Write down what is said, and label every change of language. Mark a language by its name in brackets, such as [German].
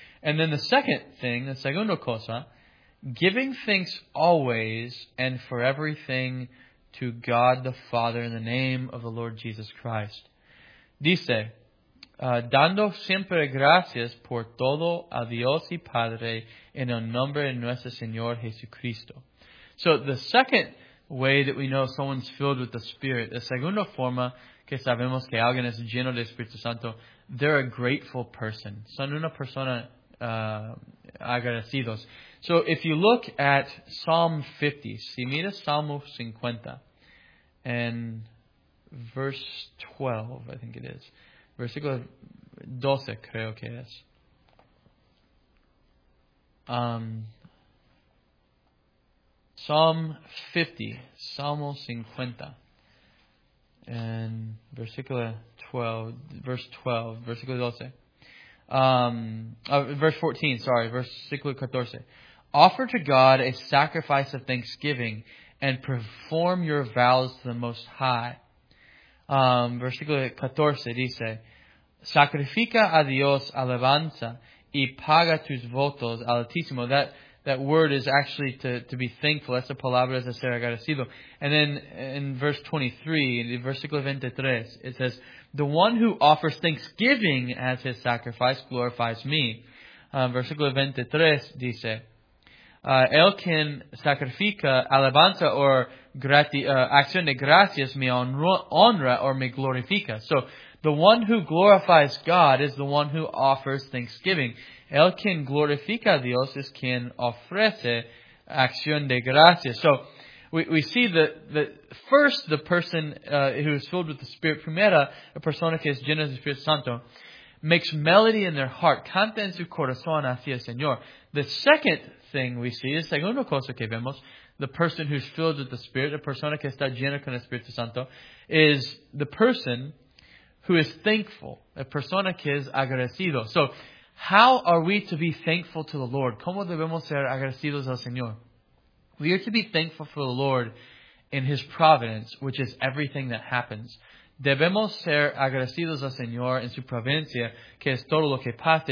[English] And then the second thing, the [Spanish] segunda cosa, [English] giving thanks always and for everything to God the Father in the name of the Lord Jesus Christ. [Spanish] Dice, dando siempre gracias por todo a Dios y Padre en el nombre de nuestro Señor Jesucristo. [English] So the second way that we know someone's filled with the Spirit, the [Spanish] segunda forma que sabemos que alguien es lleno del Espíritu Santo, [English] they're a grateful person. [Spanish] Son una persona agradecidos. [English] So if you look at Psalm 50, [Spanish] si mira Salmo 50, [English] and verse 12, I think it is. [Spanish] Versículo 12, creo que es. [English] Psalm 50, Salmo 50, and versículo 14. Offer to God a sacrifice of thanksgiving and perform your vows to the Most High. [Spanish] Versículo 14 dice, sacrifica a Dios alabanza y paga tus votos al Altísimo. [English] That word is actually to be thankful. [Spanish] Esa palabra es ser agradecido. [English] And then in verse 23, in versículo 23, it says, the one who offers thanksgiving as his sacrifice glorifies me. [Spanish] Versículo 23 dice, el quien sacrifica alabanza o acción de gracias me honra o me glorifica. [English] So, the one who glorifies God is the one who offers thanksgiving. [Spanish] El quien glorifica a Dios es quien ofrece acción de gracias. [English] So, we see that first the person who is filled with the Spirit, [Spanish] primera, la persona que es llena del Espíritu Santo, [English] makes melody in their heart, [Spanish] canta en su corazón hacia el Señor. [English] The second thing we see, [Spanish] la segunda cosa que vemos, [English] the person who's filled with the Spirit, [Spanish] la persona que está llena con el Espíritu Santo, [English] is the person who is thankful, [Spanish] a persona que es agradecido. [English] So, how are we to be thankful to the Lord? [Spanish] ¿Cómo debemos ser agradecidos al Señor? [English] We are to be thankful for the Lord in His providence, which is everything that happens. [Spanish] Debemos ser agradecidos al Señor en su providencia, que es todo lo que pasa.